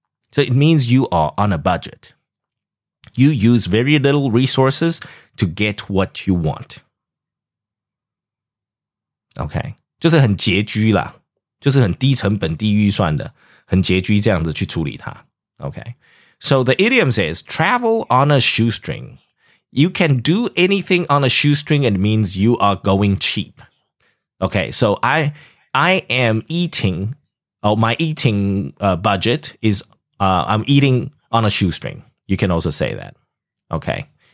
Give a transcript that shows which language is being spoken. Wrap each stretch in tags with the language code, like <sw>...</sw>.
<en>So it means you are on a budget. You use very little resources to get what you want.</en> <zh>OK， 就是很拮据啦，就是很低成本低预算的，很拮据这样子去处理它。</zh> <en>OK， So the idiom says travel on a shoestring. You can do anything on a shoestring and means you are going cheap. OK, so I am eating, oh, my eating budget is, I'm eating on a shoestring. You can also say that. OK.</en>